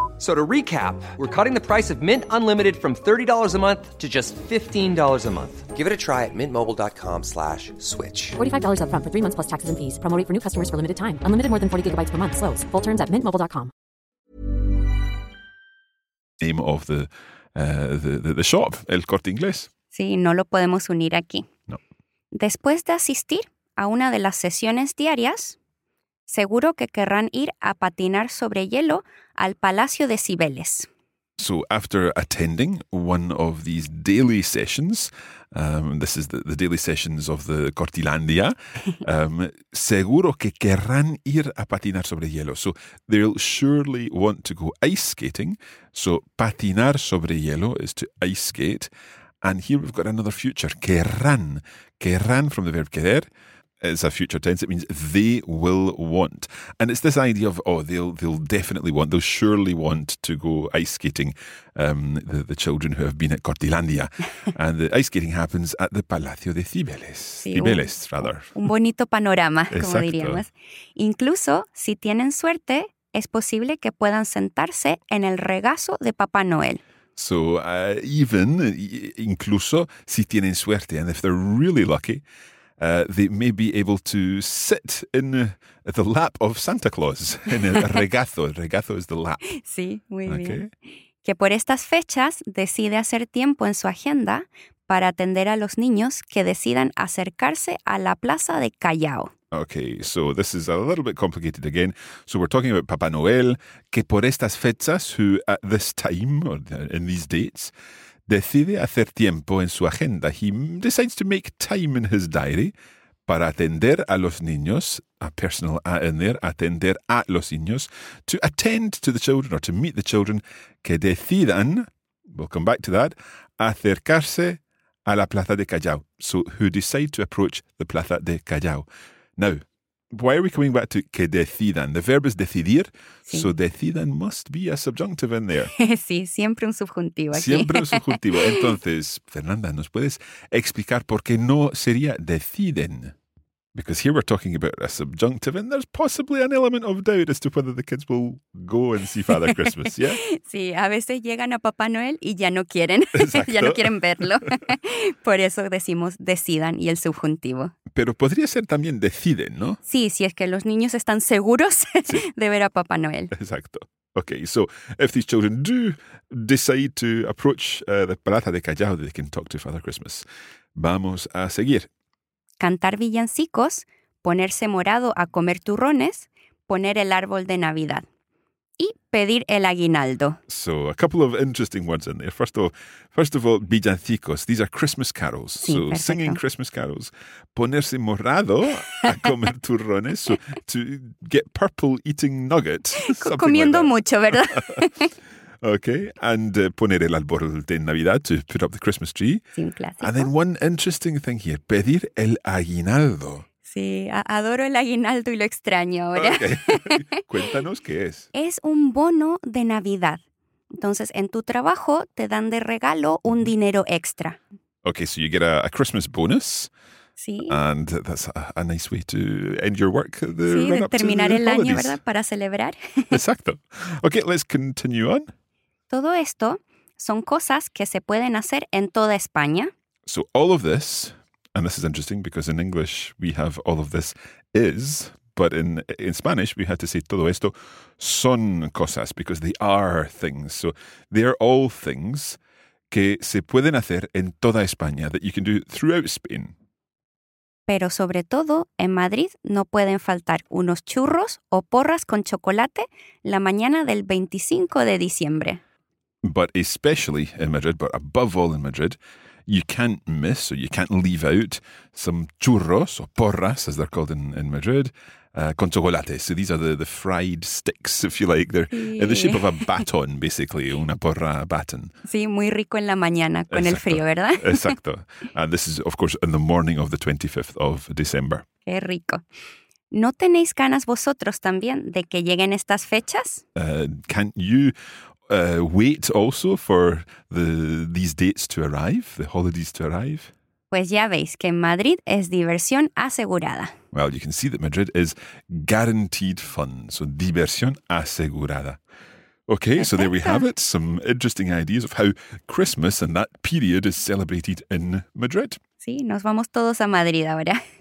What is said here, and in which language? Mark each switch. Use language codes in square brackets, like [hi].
[en] So to recap, we're cutting the price of Mint Unlimited from $30 a month to just $15 a month. Give it a try at mintmobile.com/switch. $45 up front for 3 months plus taxes and fees. Promo rate for new customers for limited time. Unlimited more than 40 gigabytes per month. Slows full terms at mintmobile.com. Name of the shop, El Corte Inglés. [es] Sí, no lo podemos unir aquí. No. Después de asistir a una de las sesiones diarias, seguro que querrán ir a patinar sobre hielo al Palacio de Cibeles. [en] So after attending one of these daily sessions, this is the daily sessions of the Cortilandia, [es] seguro que querrán ir a patinar sobre hielo. [en] So they'll surely want to go ice skating. So [es] patinar sobre hielo [en] is to ice skate. And here we've got another future, querrán. Querrán from the verb querer. It's a future tense. It means they will want. And it's this idea of, oh, they'll definitely want, they'll surely want to go ice skating, the children who have been at Cortilandia. And the ice skating happens at the Palacio de Cibeles. Sí, Cibeles, rather. [es] Un bonito panorama, como diríamos. Incluso, si tienen suerte, es posible que puedan sentarse en el regazo de Papá Noel. [en] So even, incluso, [es] si tienen suerte, [en] and if they're really lucky, they may be able to sit in the lap of Santa Claus, in el regazo. El regazo is the lap. [es] Sí, muy okay. Bien. Que por estas fechas decide hacer tiempo en su agenda para atender a los niños que decidan acercarse a la Plaza de Callao. [en] Okay, so this is a little bit complicated again. So we're talking about Papá Noel, [es] que por estas fechas, [en] who at this time, or in these dates, [es] decide hacer tiempo en su agenda. [en] He decides to make time in his diary [es] para atender a los niños, [en] a personal a in there, [es] atender a los niños, [en] to attend to the children or to meet the children [es] que decidan, [en] we'll come back to that, [es] acercarse a la Plaza de Callao. [en] So who decide to approach the Plaza de Callao. Now, why are we coming back to [es] que decidan? [en] The verb is decidir, sí. So decidan must be a subjunctive in there. [es] Sí, siempre un subjuntivo aquí. Siempre un subjuntivo. Entonces, Fernanda, ¿nos puedes explicar por qué no sería deciden? [en] Because here we're talking about a subjunctive and there's possibly an element of doubt as to whether the kids will go and see Father Christmas, yeah? [es] Sí, a veces llegan a Papá Noel y ya no quieren, ya no quieren verlo. Por eso decimos decidan y el subjuntivo. Pero podría ser también deciden, ¿no? Sí, si es que los niños están seguros de ver a Papá Noel. Exacto. [en] Okay, so if these children do decide to approach the Plaza de Callao, they can talk to Father Christmas. [es] Vamos a seguir. Cantar villancicos, ponerse morado a comer turrones, poner el árbol de Navidad y pedir el aguinaldo. [en] So, a couple of interesting words in there. First of all, villancicos. These are Christmas carols. [es] Sí, [en] so, [es] perfecto. [en] Singing Christmas carols. [es] Ponerse morado a comer turrones. [en] So, to get purple eating nuggets. [es] Comiendo [en] like [es] mucho, ¿verdad? [en] Okay, and poner el árbol de Navidad, to put up the Christmas tree. [es] Sí, un clásico. [en] And then one interesting thing here, pedir el aguinaldo. [es] Sí, adoro el aguinaldo y lo extraño ahora. Okay. Cuéntanos qué es. Es un bono de Navidad. Entonces, en tu trabajo te dan de regalo un dinero extra. [en] Okay, so you get a Christmas bonus. [es] Sí. [en] And that's a nice way to end your work. [es] The sí, de terminar el año, ¿verdad? Para celebrar. [en] Exacto. Okay, let's continue on. [es] Todo esto son cosas que se pueden hacer en toda España. [en] So all of this, and this is interesting because in English we have all of this is, but in Spanish we had to say [es] todo esto son cosas [en] because they are things. So they are all things [es] que se pueden hacer en toda España [en] that you can do throughout Spain. [es] Pero sobre todo, en Madrid no pueden faltar unos churros o porras con chocolate la mañana del 25 de diciembre. [en] But especially in Madrid, but above all in Madrid, you can't miss or you can't leave out some churros or porras, as they're called in Madrid, [es] con chocolate. [en] So these are the fried sticks, if you like. They're in the shape of a baton, basically, [es] una porra [en] baton. [es] Sí, muy rico en la mañana, con Exacto. el frío, ¿verdad? [en] Exacto. And this is, of course, in the morning of the 25th of December. [es] Qué rico. ¿No tenéis ganas vosotros también de que lleguen estas fechas? [en] Can't you wait also for these dates to arrive, the holidays to arrive? [es] Pues ya veis que Madrid es diversión asegurada. [en] Well, you can see that Madrid is guaranteed fun, so [es] diversión asegurada. [en] Okay, so there we have it, some interesting ideas of how Christmas and that period is celebrated in Madrid. [es] Sí, nos vamos todos a Madrid ahora.